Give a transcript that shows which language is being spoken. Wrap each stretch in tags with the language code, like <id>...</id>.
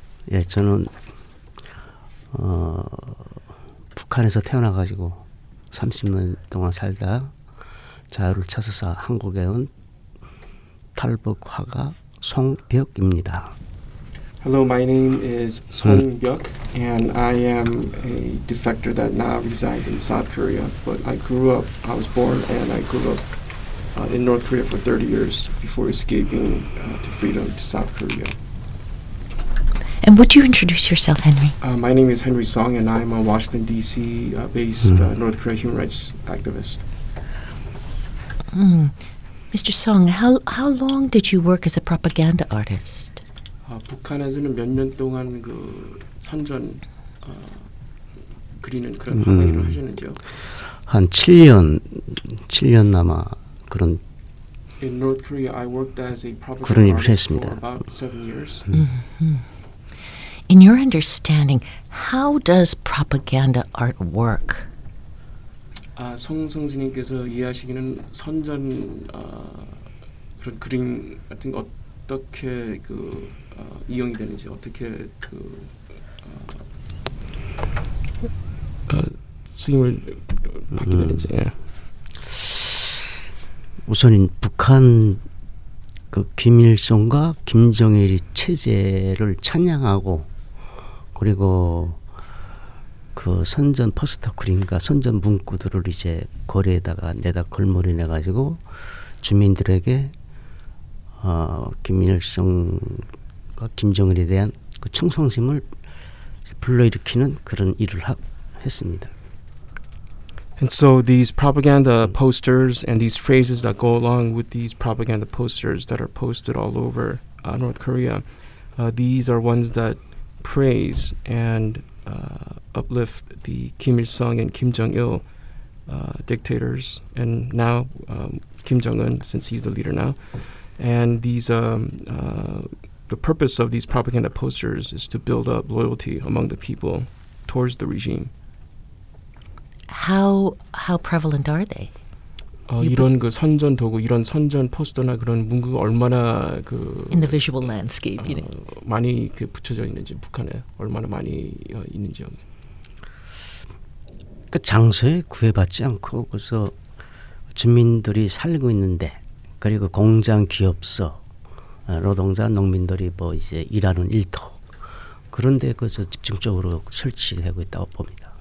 <ko>예, 저는 북한에서 태어나가지고 30년 동안 살다 자유를 찾아서 한국에 온 탈북화가 송벽입니다.</ko> <en>Hello, my name is Song Byuk, and I am a defector that now resides in South Korea. But I was born and I grew up in North Korea for 30 years before escaping to freedom to South Korea. And would you introduce yourself, Henry? My name is Henry Song, and I'm a Washington, D.C. Based North Korea human rights activist. Mr. Song, how long did you work as a propaganda artist?</en> <ko>북한에서는 몇년 동안 그 선전 그리는 그런 방향으로 하셨는지요? 한 7년 남아 그런</ko> <en>In North Korea, I worked as a propaganda</en> <ko>그런 일을</ko> <en>artist</en> <ko>했습니다.</ko> <en>for about 7 years. In your understanding, how does propaganda art work?</en> <ko>아, 송 선생님께서 이해하시기는 선전 그런 그림 같은 거 어떻게 그 이용이 되는지 어떻게 그 쓰임을 받게 되는지. 우선 북한 그 김일성과 김정일이 체제를 찬양하고 그리고 그 선전 포스터 그림과 선전 문구들을 이제 거리에다가 내다 걸머리내 가지고 주민들에게 김일성과 김정일에 대한 그 충성심을 불러일으키는 그런 일을 했습니다.</ko> <en>And so these propaganda posters and these phrases that go along with these propaganda posters that are posted all over North Korea, these are ones that praise and uplift the Kim Il-sung and Kim Jong-il dictators, and now Kim Jong-un, since he's the leader now. And these the purpose of these propaganda posters is to build up loyalty among the people towards the regime. How prevalent are they?</en> <ko>이런 그 선전 도구, 이런 선전 포스터나 그런 문구 얼마나 그</ko> <en>in the visual landscape, you know.</en> <ko>많이 그 붙여져 있는지 북한에 얼마나 많이 있는지요. 그 장소에 구애받지 않고 그래서 주민들이 살고 있는데 그리고 공장 기업소 노동자 농민들이 뭐 이제 일하는 일터 그런 데 그래서 집중적으로 설치되고 있다고 봅니다.</ko>